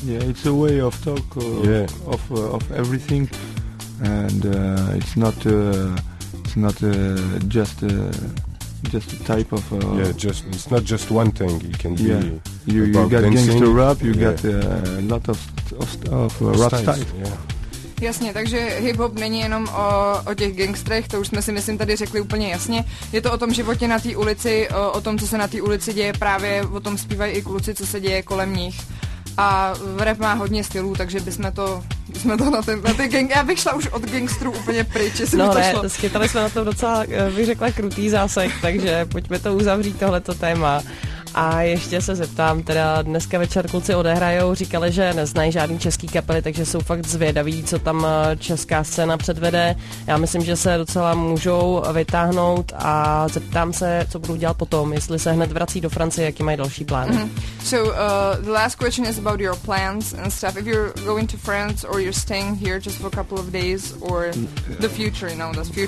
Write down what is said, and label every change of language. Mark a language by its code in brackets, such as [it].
[en] Yeah, it's a way of talk of everything, and it's not just a type of It's not just one thing. It can be you got gangster rap, got a lot of rap styles. Yeah. [cs] Jasně, takže hip-hop není jenom o těch gangstrech, to už jsme si myslím tady řekli úplně jasně. Je to o tom životě na té ulici, o tom, co se na té ulici děje, právě o tom zpívají i kluci, co se děje kolem nich. A rap má hodně stylů, takže bychom to na ty gangy. Já bych šla už od gangstrů úplně pryč, jestli no, by to ne, šlo. No ne, schytali jsme na tom docela, bych řekla, krutý zásek, takže pojďme to uzavřít, tohleto téma. A ještě se zeptám, teda dneska večer kluci odehrajou, říkali, že neznají žádný český kapely, takže jsou fakt zvědaví, co tam česká scéna předvede. Já myslím, že se docela můžou vytáhnout a zeptám se, co budou dělat potom, jestli se hned vrací do Francie, jaký mají další plán. Mm-hmm. [en] So, the last question is about your plans and stuff. If you're going to France or you're staying here just for a couple of days or the future, you know, the future